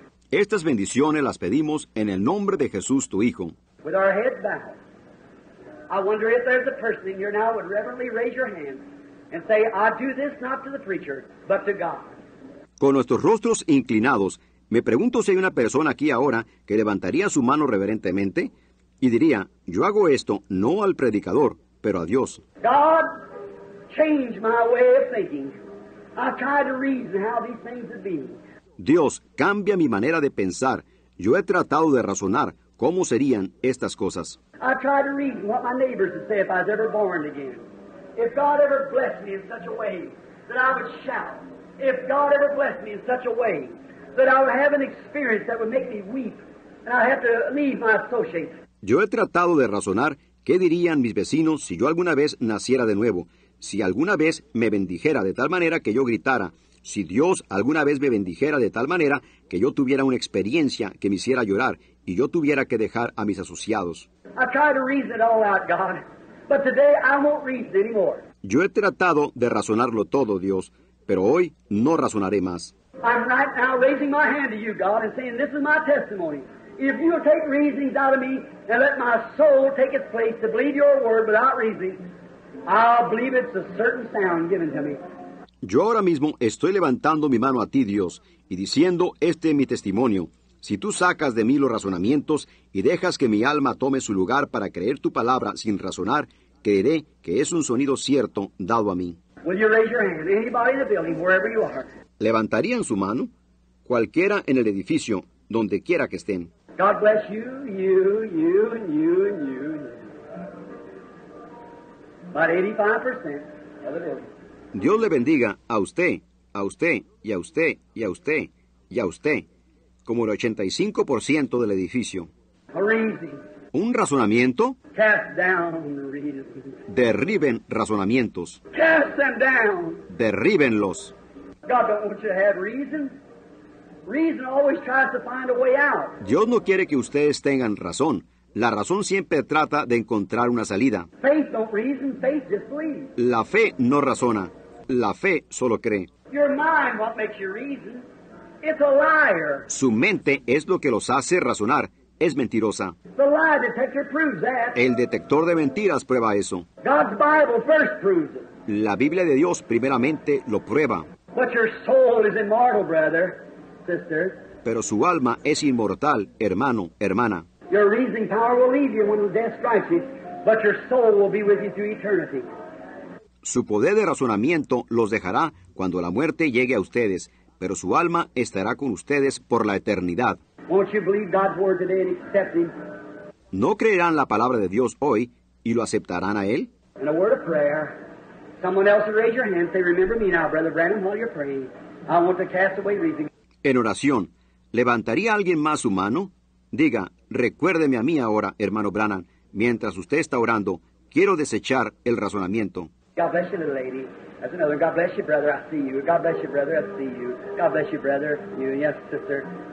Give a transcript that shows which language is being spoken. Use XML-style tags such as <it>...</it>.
<es>Estas bendiciones las pedimos en el nombre de Jesús, tu Hijo.</es> <en>With our heads bowed, I wonder if there's a person in here now would reverently raise your hand. And say, I do this not to the preacher, but to God.</en> <es>Con nuestros rostros inclinados, me pregunto si hay una persona aquí ahora que levantaría su mano reverentemente y diría, yo hago esto no al predicador, pero a Dios.</es> <en>God, change my way of thinking. I try to reason how these things have been.</en> <es>Dios, cambia mi manera de pensar. Yo he tratado de razonar cómo serían estas cosas.</es> <en>I try to reason what my neighbors would say if I was ever born again. If God ever blessed me in such a way that I would shout, if God ever blessed me in such a way that I would have an experience that would make me weep and I have to leave my associates.</en> <es>Yo he tratado de razonar qué dirían mis vecinos si yo alguna vez naciera de nuevo, si alguna vez me bendijera de tal manera que yo gritara, si Dios alguna vez me bendijera de tal manera que yo tuviera una experiencia que me hiciera llorar y yo tuviera que dejar a mis asociados.</es> <en>I try to reason it all out, God. But today I won't reason anymore.</en> <es>Yo he tratado de razonarlo todo, Dios, pero hoy no razonaré más.</es> <en>I'm right now raising my hand to you, God, and saying, this is my testimony. If you'll take reasonings out of me and let my soul take its place to believe your word without reasoning, I'll believe it's a certain sound given to me.</en> <es>Yo ahora mismo estoy levantando mi mano a ti, Dios, y diciendo, este es mi testimonio. Si tú sacas de mí los razonamientos y dejas que mi alma tome su lugar para creer tu palabra sin razonar, creeré que es un sonido cierto dado a mí.</es> <en>Will you raise your hand? Anybody in the building, wherever you are.</en> <es>¿Levantarían su mano? cualquiera en el edificio, donde quiera que estén.</es> <en>God bless you, you, you, and you, and you. About 85% of the building.</en> <es>Dios le bendiga a usted, y a usted, y a usted, y a usted, como el 85% del edificio.</es> <en>A reason.</en> <es>¿Un razonamiento?</es> <en>Cast down reasons.</en> <es>Derriben razonamientos.</es> <en>Cast them down.</en> <es>Derríbenlos.</es> <en>God don't want you to have reasons. Reason always tries to find a way out.</en> <es>Dios no quiere que ustedes tengan razón. La razón siempre trata de encontrar una salida.</es> <en>Faith don't reason, faith just believes.</en> <es>La fe no razona. La fe solo cree.</es> <en>Your mind what makes you reason. It's a liar.</en> <es>Su mente es lo que los hace razonar. Es mentirosa.</es> <en>The lie detector proves that.</en> <es>El detector de mentiras prueba eso.</es> <en>God's Bible first proves it.</en> <es>La Biblia de Dios primeramente lo prueba.</es> <en>But your soul is immortal, brother. Sister.</en> <es>Pero su alma es inmortal, hermano, hermana.</es> <en>Your reasoning power will leave you when death strikes you, but your soul will be with you through eternity.</en> <es>Su poder de razonamiento los dejará cuando la muerte llegue a ustedes, pero su alma estará con ustedes por la eternidad.</es> <en>Won't you believe God's word today and accept Him?</en> <es>¿No creerán la palabra de Dios hoy y lo aceptarán a Él?</es> <en>In a word of prayer, someone else will raise your hand and say, "Remember me now, Brother Branham, while you're praying. I want to cast away reason."</en> <es>En oración, ¿levantaría alguien más su mano? Diga, recuérdeme a mí ahora, hermano Branham, mientras usted está orando, quiero desechar el razonamiento.</es> <en>God bless you, little lady. That's another. God bless you, brother. I see you. God bless you, brother. I see you. God bless you, brother. You, yes, sister.</en>